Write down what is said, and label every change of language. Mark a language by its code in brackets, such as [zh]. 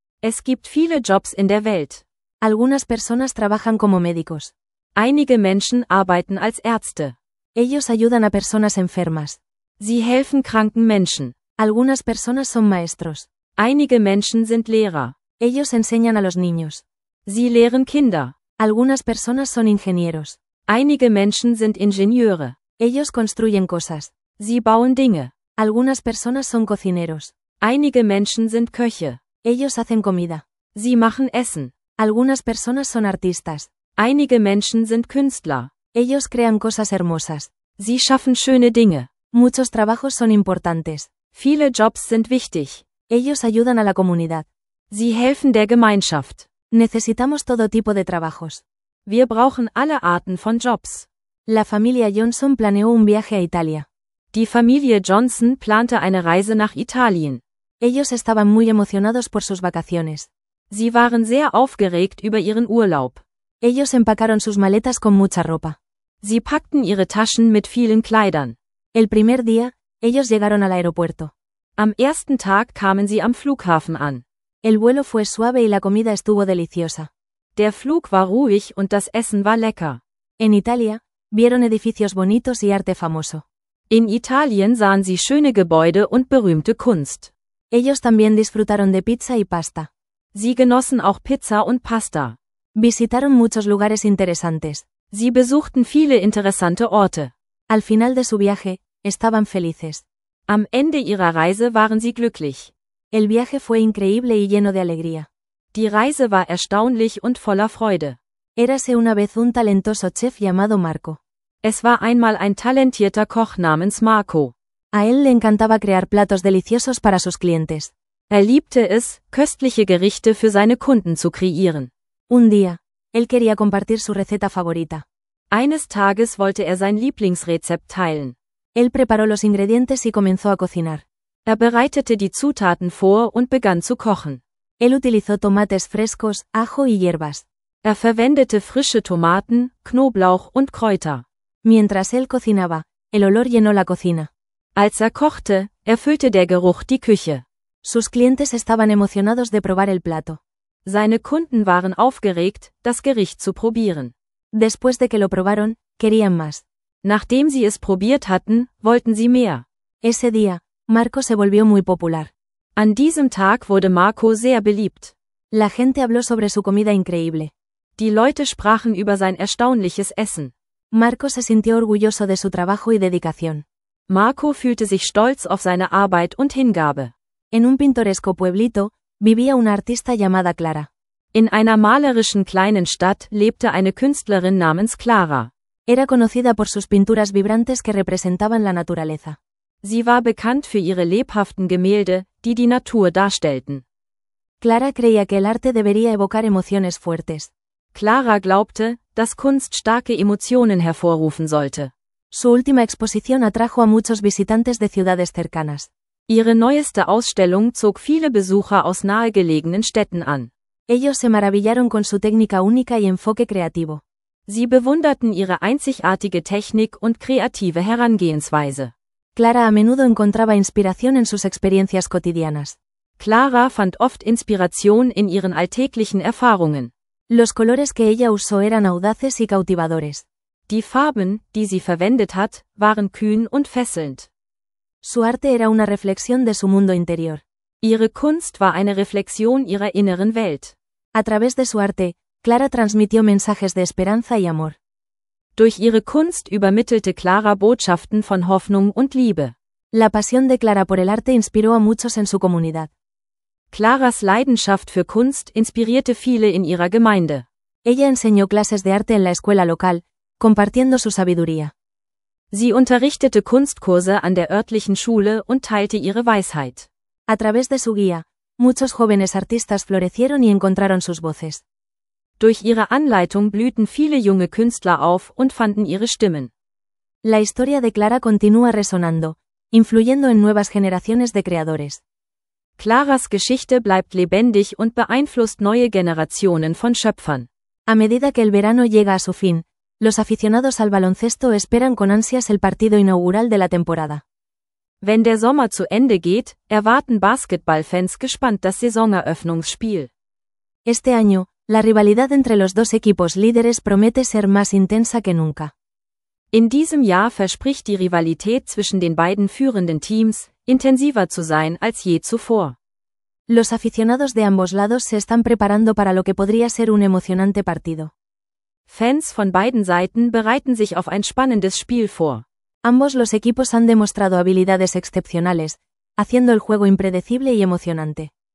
[de] Es gibt viele Jobs in der Welt. [es] Algunas personas trabajan como médicos. [de] Einige Menschen arbeiten als Ärzte. [es] Ellos ayudan a personas enfermas. [de] Sie helfen kranken Menschen. [es] Algunas personas son maestros. [de] Einige Menschen sind Lehrer. [es] Ellos enseñan a los niños. [de] Sie lehren Kinder. [es] Algunas personas son ingenieros. [de] Einige Menschen sind Ingenieure. [es] Ellos construyen cosas. [de] Sie bauen Dinge. [es] Algunas personas son cocineros. [de] Einige Menschen sind Köche. [es] Ellos hacen comida. [de] Sie machen Essen. [es] Algunas personas son artistas. [de] Einige Menschen sind Künstler. [es] Ellos crean cosas hermosas. [de] Sie schaffen schöne Dinge. [es] Muchos trabajos son importantes. [de] Viele Jobs sind wichtig. [es] Ellos ayudan a la comunidad. [de] Sie helfen der Gemeinschaft. [es] Necesitamos todo tipo de trabajos. [de] Wir brauchen alle Arten von Jobs. [es] La familia Johnson planeó un viaje a Italia. [de] Die Familie Johnson plante eine Reise nach Italien. [es] Ellos estaban muy emocionados por sus vacaciones. [de] Sie waren sehr aufgeregt über ihren Urlaub. [es] Ellos empacaron sus maletas con mucha ropa. [de] Sie packten ihre Taschen mit vielen Kleidern. [es] El primer día, ellos llegaron al aeropuerto. [de] Am ersten Tag kamen sie am Flughafen an. [es] El vuelo fue suave y la comida estuvo deliciosa. [de] Der Flug war ruhig und das Essen war lecker. [es] En Italia, vieron edificios bonitos y arte famoso. [de] In Italien sahen sie schöne Gebäude und berühmte Kunst. [es] Ellos también disfrutaron de pizza y pasta. [de] Sie genossen auch Pizza und Pasta. [es] Visitaron muchos lugares interesantes. [de] Sie besuchten viele interessante Orte. [es] Al final de su viaje, estaban felices. [de] Am Ende ihrer Reise waren sie glücklich. [es] El viaje fue increíble y lleno de alegría. [de] Die Reise war erstaunlich und voller Freude. [es] Érase una vez un talentoso chef llamado Marco. [de] Es war einmal ein talentierter Koch namens Marco. [es] A él le encantaba crear platos deliciosos para sus clientes. [de] Er liebte es, köstliche Gerichte für seine Kunden zu kreieren. [es] Un día, él quería compartir su receta favorita. [de] Eines Tages wollte er sein Lieblingsrezept teilen. [es] Él preparó los ingredientes y comenzó a cocinar. [de] Er bereitete die Zutaten vor und begann zu kochen. [es] Él utilizó tomates frescos, ajo y hierbas. [de] Er verwendete frische Tomaten, Knoblauch und Kräuter. [es] Mientras él cocinaba, el olor llenó la cocina. [de] Als er kochte, erfüllte der Geruch die Küche. [es] Sus clientes estaban emocionados de probar el plato. [de] Seine Kunden waren aufgeregt, das Gericht zu probieren. [es] Después de que lo probaron, querían más. [de] Nachdem sie es probiert hatten, wollten sie mehr. [es] Ese día, Marco se volvió muy popular. [de] An diesem Tag wurde Marco sehr beliebt. [es] La gente habló sobre su comida increíble. [de] Die Leute sprachen über sein erstaunliches Essen. [es] Marco se sintió orgulloso de su trabajo y dedicación. [de] Marco fühlte sich stolz auf seine Arbeit und Hingabe. [es] En un pintoresco pueblito, vivía una artista llamada Clara. [de] In einer malerischen kleinen Stadt lebte eine Künstlerin namens Clara. [es] Era conocida por sus pinturas vibrantes que representaban la naturaleza. [de] Sie war bekannt für ihre lebhaften Gemälde, die die Natur darstellten. [es] Clara creía que el arte debería evocar emociones fuertes. [de] Clara glaubte, dass Kunst starke Emotionen hervorrufen sollte. [es] Su última exposición atrajo a muchos visitantes de ciudades cercanas. [de] Ihre neueste Ausstellung zog viele Besucher aus nahegelegenen Städten an. [es] Ellos se maravillaron con su técnica única y enfoque creativo. [de] Sie bewunderten ihre einzigartige Technik und kreative Herangehensweise. [es] Clara a menudo encontraba inspiración en sus experiencias cotidianas. [de] Clara fand oft Inspiration in ihren alltäglichen Erfahrungen. [es] Los colores que ella usó eran audaces y cautivadores. [de] Die Farben, die sie verwendet hat, waren kühn und fesselnd. [es] Su arte era una reflexión de su mundo interior. [de] Ihre Kunst war eine Reflexion ihrer inneren Welt. [es] A través de su arte, Clara transmitió mensajes de esperanza y amor. [de] Durch ihre Kunst übermittelte Clara Botschaften von Hoffnung und Liebe. [es] La pasión de Clara por el arte inspiró a muchos en su comunidad. [de] Claras Leidenschaft für Kunst inspirierte viele in ihrer Gemeinde. [es] Ella enseñó clases de arte en la escuela local, compartiendo su sabiduría. [de] Sie unterrichtete Kunstkurse an der örtlichen Schule und teilte ihre Weisheit. [es] A través de su guía, muchos jóvenes artistas florecieron y encontraron sus voces. [de] Durch ihre Anleitung blühten viele junge Künstler auf und fanden ihre Stimmen. [es] La historia de Clara continúa resonando, influyendo en nuevas generaciones de creadores. [de] Claras Geschichte bleibt lebendig und beeinflusst neue Generationen von Schöpfern. [es] A medida que el verano llega a su fin, los aficionados al baloncesto esperan con ansias el partido inaugural de la temporada. [de] Wenn der Sommer zu Ende geht, erwarten Basketballfans gespannt das Saisoneröffnungsspiel. [es] Este año, la rivalidad entre los dos equipos líderes promete ser más intensa que nunca. [de] In diesem Jahr verspricht die Rivalität zwischen den beiden führenden Teams, intensiver zu sein als je zuvor. [es] Los aficionados de ambos lados se están preparando para lo que podría ser un emocionante partido. [de] Fans von beiden Seiten bereiten sich auf ein spannendes Spiel vor. [es] Ambos los equipos han demostrado habilidades excepcionales, haciendo el juego impredecible y emocionante.